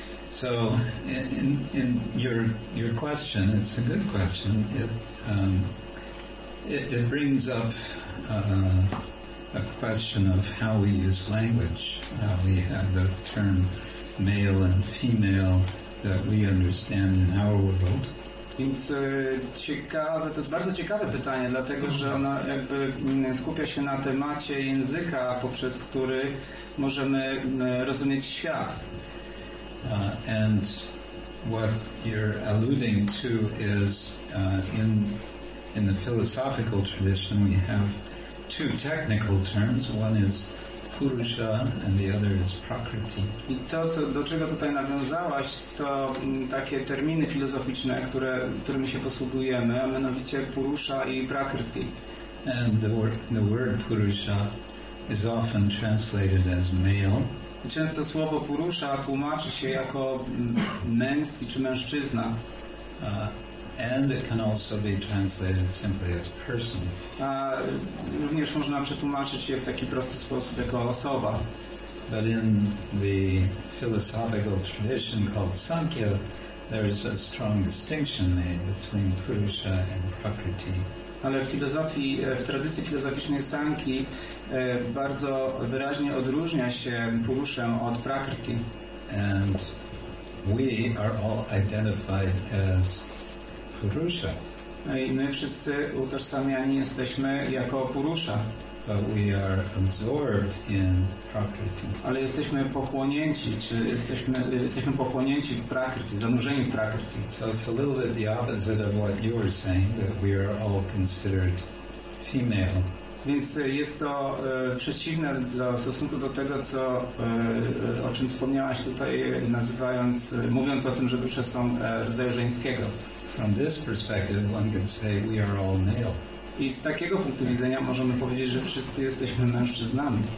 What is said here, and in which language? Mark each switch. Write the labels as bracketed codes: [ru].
[en] So in your question, it's a good question. It brings up a question of how we use language. How we have the term male and female that we understand in our world. [pl] Więc ciekawe, to jest bardzo ciekawe pytanie, dlatego że ona jakby skupia się na temacie języka, poprzez który możemy rozumieć świat. [en] And what you're alluding to is in the philosophical tradition we have two technical terms. One is Purusha and the other is Prakriti. [pl] I to, do czego tutaj nawiązałaś, to takie terminy filozoficzne, którymi się posługujemy, a mianowicie Purusha i Prakriti. [en] And the word Purusha is often translated as male. [pl] Często słowo Purusha tłumaczy się jako męski czy mężczyzna. [en] And it can also be translated simply as person. [pl] Również można przetłumaczyć je w taki prosty sposób jako osoba. [en] But in the philosophical tradition called Sankhya, there is a strong distinction made between Purusha and Prakriti. [pl] Ale w filozofii, w tradycji filozoficznej Sankhi bardzo wyraźnie odróżnia się Purusha od Prakriti. [en] And we are all identified as Purusha. [pl] I my wszyscy utożsamiani jesteśmy jako Purusha. [en] But we are absorbed in Prakriti. [pl] Ale jesteśmy pochłonięci, czy jesteśmy pochłonięci w Prakriti, zanurzeni w Prakriti. [en] So it's a little bit the opposite of what you were saying, that we are all considered female. [pl] Więc jest to przeciwne w stosunku do tego, co o czym wspomniałaś tutaj, nazywając, mówiąc o tym, że dusze są rodzaju żeńskiego. [en] From this perspective, one can say we are all male. [pl] I z takiego punktu widzenia możemy powiedzieć, że wszyscy jesteśmy mężczyznami.